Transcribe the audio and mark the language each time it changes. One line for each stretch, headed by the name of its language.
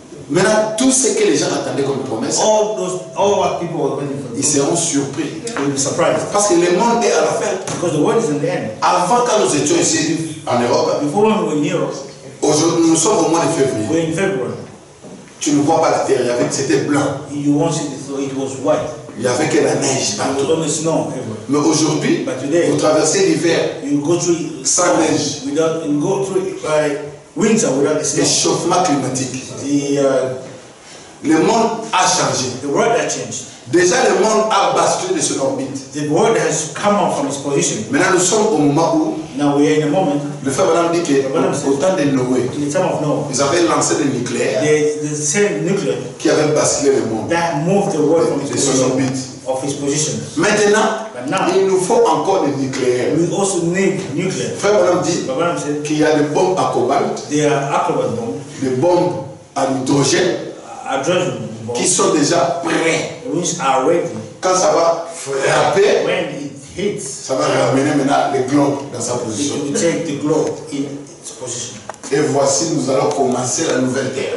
French: Maintenant, tout ce que les gens attendaient comme promesse,
English: all what people were waiting for,
French: ils seront surpris,
English: will be surprised,
French: parce que le monde est à la fin.
English: Because the world is in the end.
French: Avant, quand nous étions ici en Europe,
English: before when we were in Europe,
French: aujourd'hui nous sommes au mois de février.
English: We're in February.
French: Tu ne vois pas la terre, il y avait, c'était blanc.
English: You won't see it, so it was white.
French: Il y avait que la neige partout.
English: Snow.
French: Mais aujourd'hui,
English: but today,
French: vous traversez l'hiver,
English: you go through
French: sans neige,
English: without, you go through it by winter without the snow.
French: L'échauffement climatique. Le monde a changé.
English: The world has changed.
French: Déjà, le monde a basculé de son orbite.
English: The world has come out from its position.
French: Maintenant, nous sommes au moment où.
English: Now we are in a moment.
French: Le frère Branham dit que au temps de Noé,
English: in the time of Noah,
French: ils avaient lancé le nucléaire.
English: The same nuclear
French: qui avait basculé le monde.
English: That moved the world from its position. Orbite. Of its position.
French: Maintenant,
English: now,
French: il nous faut encore des nucléaires.
English: We also need nuclear.
French: Frère Branham dit qu'il y a des bombes à cobalt.
English: They are acrobat bombs.
French: Des bombes à hydrogène.
English: Hydrogen.
French: Qui sont déjà prêts.
English: Which are ready.
French: Quand ça va frapper,
English: when it hits,
French: ça va ramener maintenant le globe dans sa position.
English: It will take the globe in its position.
French: Et voici, nous allons commencer la nouvelle terre.